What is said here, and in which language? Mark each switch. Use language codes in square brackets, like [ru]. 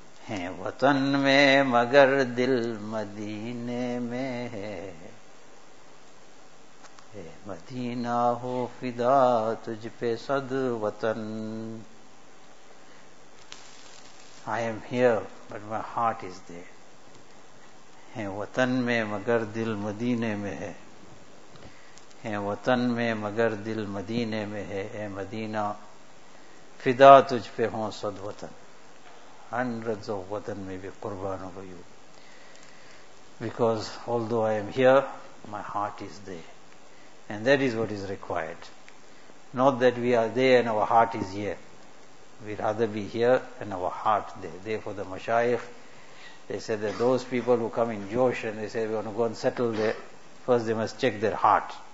[ur] ہے وطن میں مگر دل مدینے میں ہے. اے مدینہ ہو فدا تجھ پہ صد وطن. [en] I am here but my heart is there. [ur] ہے وطن میں مگر دل مدینے میں ہے. ہے وطن میں مگر دل مدینے میں ہے. اے مدینہ فدا تجھ پہ ہوں صد وطن. [en] Hundreds of [ur] وطن میں بھی قربان ہو [en] you. Because although I am here, my heart is there. And that is what is required. Not that we are there and our heart is here. We rather be here and our heart there. Therefore the mashayikh, they said that those people who come in Josh and they say we want to go and settle there, first they must check their heart.